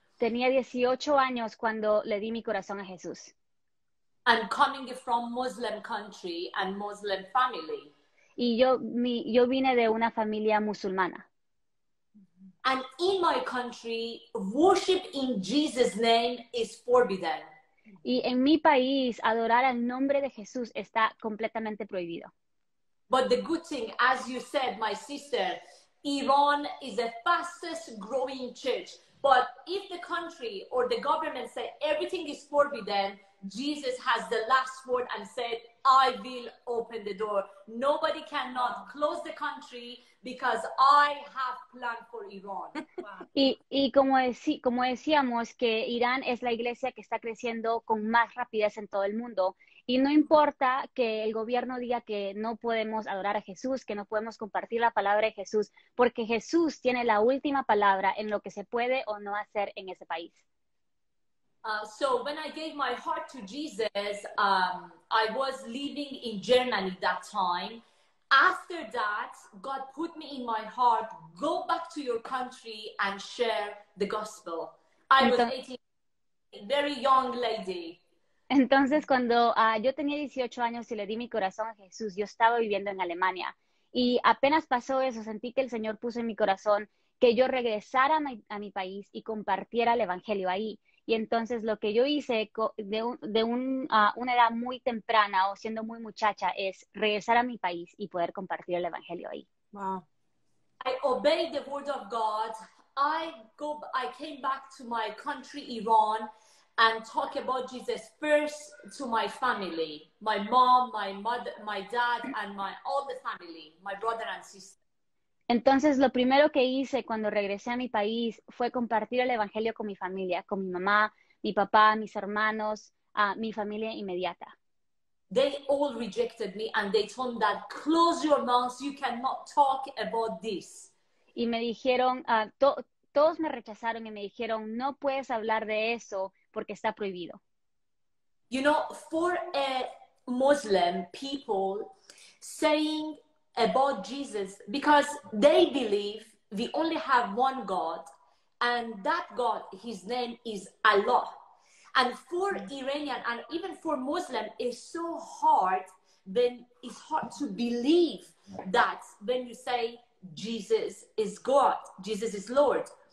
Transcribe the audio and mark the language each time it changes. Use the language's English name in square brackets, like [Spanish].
[Spanish] Tenía 18 años cuando le di mi corazón a Jesús. [English] And coming from Muslim country and Muslim family. [Spanish] Y yo vine de una familia musulmana. [English] And in my country, worship in Jesus' name is forbidden. [Spanish] Y en mi país, adorar al nombre de Jesús está completamente prohibido. [English] But the good thing, as you said, my sister, Iran is the fastest growing church. But if the country or the government say everything is forbidden, Jesus has the last word and said, I will open the door. Nobody cannot close the country because I have plan for Iran. [Spanish] Y como decíamos, que Irán es la iglesia que está creciendo con más rapidez en todo el mundo. Y no importa que el gobierno diga que no podemos adorar a Jesús, que no podemos compartir la palabra de Jesús, porque Jesús tiene la última palabra en lo que se puede o no hacer en ese país. [English] So when I gave my heart to Jesus, I was living in Germany that time. After that, God put me in my heart, go back to your country and share the gospel. I was 18, very young lady. [Spanish] Entonces, cuando yo tenía 18 años y le di mi corazón a Jesús, yo estaba viviendo en Alemania. Y apenas pasó eso, sentí que el Señor puso en mi corazón que yo regresara a mi país y compartiera el evangelio ahí. Y entonces lo que yo hice de una edad muy temprana o siendo muy muchacha es regresar a mi país y poder compartir el evangelio ahí. [English] Wow. I obeyed the word of God. I came back to my country, Iran, and talk about Jesus first to my family, my mom, my mother, my dad, and my all the family, my brother and sister. [Spanish] Entonces, lo primero que hice cuando regresé a mi país fue compartir el evangelio con mi familia, con mi mamá, mi papá, mis hermanos, mi familia inmediata. [English] They all rejected me and they told me that, close your mouth, you cannot talk about this. [Spanish] Y me dijeron, todos me rechazaron y me dijeron, no puedes hablar de eso porque está prohibido. [English] You know, for a Muslim people saying about Jesus, because they believe we only have one God, and that God, his name is Allah. And for Iranian, and even for Muslim, it's so hard, then it's hard to believe that when you say Jesus is God, Jesus is Lord.